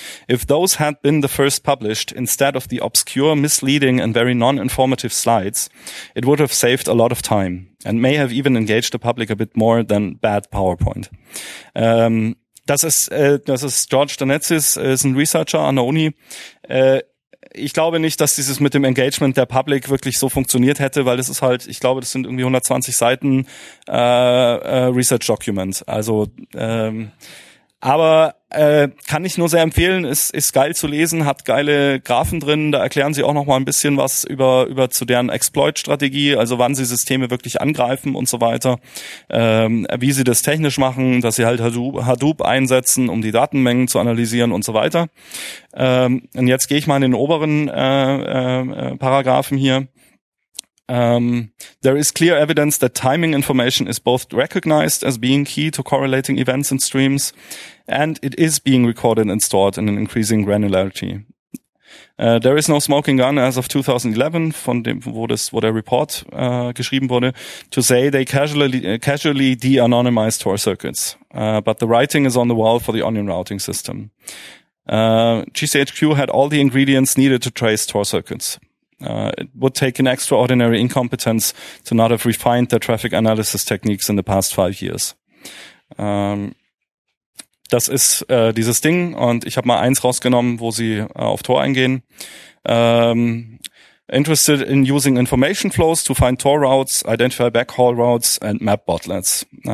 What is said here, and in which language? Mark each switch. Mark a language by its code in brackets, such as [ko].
[en] If those had been the first published instead of the obscure, misleading and very non-informative slides, it would have saved a lot of time and may have even engaged the public a bit more than bad PowerPoint." [de] Das ist George Donatsis, ist ein Researcher an der Uni. Ich glaube nicht, dass dieses mit dem Engagement der Public wirklich so funktioniert hätte, weil das ist halt, ich glaube, das sind irgendwie 120 Seiten Research Document. Also, aber kann ich nur sehr empfehlen, ist geil zu lesen, hat geile Graphen drin, da erklären sie auch nochmal ein bisschen was über zu deren Exploit-Strategie, also wann sie Systeme wirklich angreifen und so weiter, wie sie das technisch machen, dass sie halt Hadoop einsetzen, um die Datenmengen zu analysieren und so weiter. Und jetzt gehe ich mal in den oberen Paragraphen hier. [en] There is clear evidence that timing information is both recognized as being key to correlating events in streams, and it is being recorded and stored in an increasing granularity. There is no smoking gun as of 2011, [de] wo der Report geschrieben wurde, [en] to say they casually de-anonymized Tor circuits, but the writing is on the wall for the onion routing system. GCHQ had all the ingredients needed to trace Tor circuits. It would take an extraordinary incompetence to not have refined their traffic analysis techniques in the past 5 years. [de] Das ist dieses Ding, und ich habe mal eins rausgenommen, wo sie auf Tor eingehen. [en] Interested in using information flows to find Tor routes, identify backhaul routes and map botlets.